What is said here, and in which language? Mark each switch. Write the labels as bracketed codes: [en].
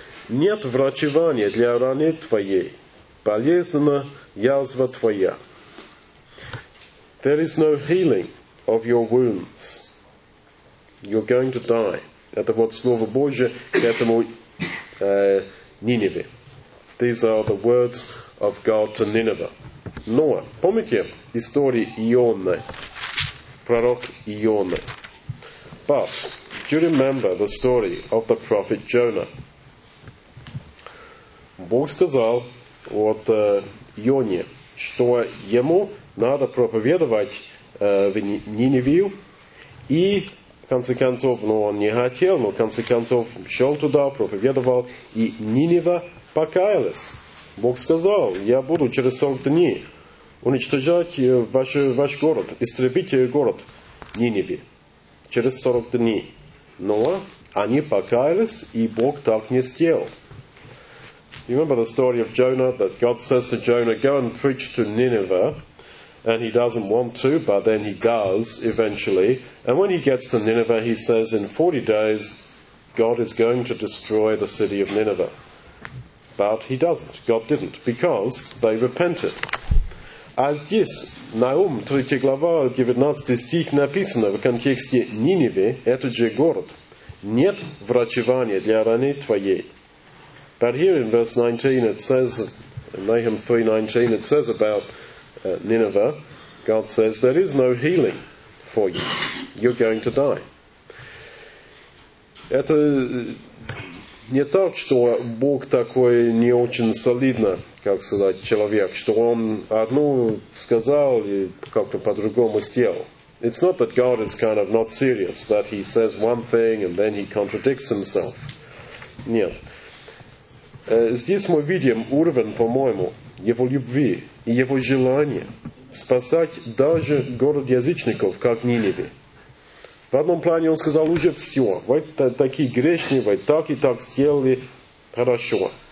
[ru] Нет врачевания для раны твоей, болезненна язва твоя. [en] There is no healing of your wounds. You're going to die. [ru] Это вот Слово Божие к этому Ниневе. [en] These are the words of God to Nineveh. [ru] Но, помните историю Ионы, пророк Ионы? [en] But, do you remember the story of the prophet Jonah? [ru] Бог сказал вот Ионе, что ему надо проповедовать в Ниневию, и в конце концов, он не хотел, но в конце концов шел туда, проповедовал, и Нинева покаялась. Бог сказал, я буду через 40 дней уничтожать ваш город, истребить город Ниневи через 40 дней. Но они покаялись, и Бог так не сделал. [en] You remember the story of Jonah, that God says to Jonah, go and preach to Nineveh. And he doesn't want to, but then he does eventually. And when he gets to Nineveh, he says, in 40 days, God is going to destroy the city of Nineveh. But he doesn't. God didn't. Because they repented. [ru] А здесь, Наум, 3 глава, 19 стих, написано в контексте Ниневе, это же город. Нет врачевания для раны твоей. [en] But here in verse 19, it says, Nahum 3:19, it says about Nineveh, God says, there is no healing for you. You're going to die. [ru] Это не так, что Бог такой не очень солидно, как сказать, человек, что он одну сказал и как-то по-другому сделал. [en] It's not that God is kind of not serious, that he says one thing and then he contradicts himself. [ru] Нет. Здесь мы видим уровень, по-моему, его любви и его желания спасать даже город язычников, как Ниневе. В одном плане он сказал уже все. Вы такие грешные, вы так и так сделали хорошо.